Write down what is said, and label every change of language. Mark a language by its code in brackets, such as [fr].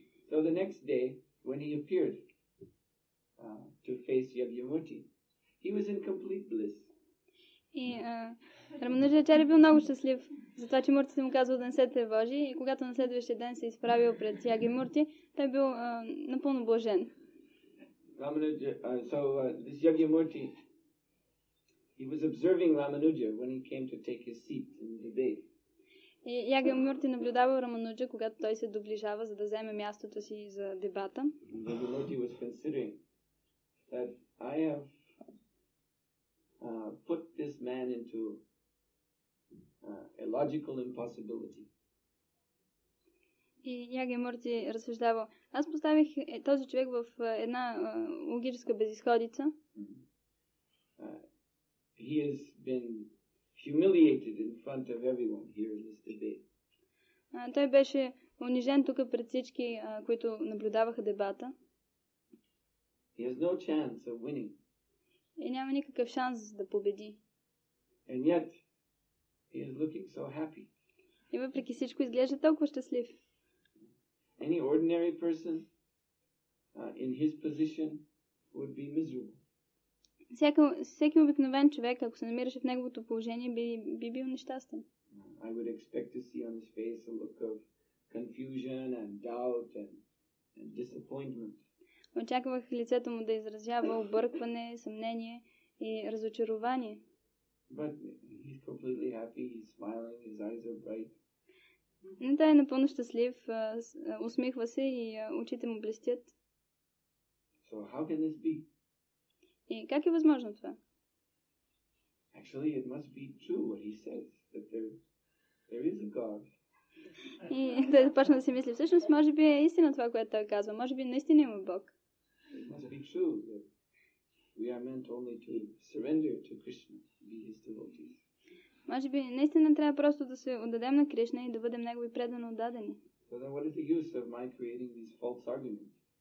[en] So the next day, when he appeared to face Yagyamurti, he was in complete bliss. [bg] И Рамануджачари бил много щастлив за това, че Муртите му казва да не се тревожи, и когато на следващия ден се изправил пред Ягимурти, той бил напълно блажен. [en] This Ягимурти, he was observing Рамануджа when he came to take his seat in the debate. [bg] И Ягимурти наблюдавал Рамануджа, когато той се доближава, за да вземе мястото си за дебата. [en] Ягимурти was considering that I have put this man into a logical impossibility. [bg] И Ягимурти разсъждавал, аз поставих този човек в една логическа безисходица. [en] He has been humiliated in front of everyone here in this debate. [bg] Той беше унижен тук пред всички, които наблюдаваха дебата. [en] He has no chance of winning. [bg] И няма никакъв шанс да победи. [en] And yet, he is looking so happy. [bg] И въпреки всичко изглежда толкова щастлив. [en] Any ordinary person in his position would be miserable. [bg] Всеки обикновен човек, ако се намираше в неговото положение, би бил нещастен. [en] I would expect to see on his face a look of confusion and doubt and disappointment. [bg] Очаквах лицето му да изразява объркване, съмнение и разочарование. [en] But he's completely happy, he's smiling, his eyes are bright. [bg] Но той е напълно щастлив, усмихва се и очите му блестят. [en] So how can this be? [bg] И как е възможно това? [en] Actually, it must be true what he says, that there is a God. [bg] И той започна да си мисли, всъщност може би е истина това, което той казва, може би наистина има Бог. [en] It must be true that we are meant only to surrender to Krishna, be his devotees. [bg] Може би наистина трябва просто да се отдадем на Кришна и да бъдем негови предано отдадени. [en] So then what is the use of my creating these false arguments?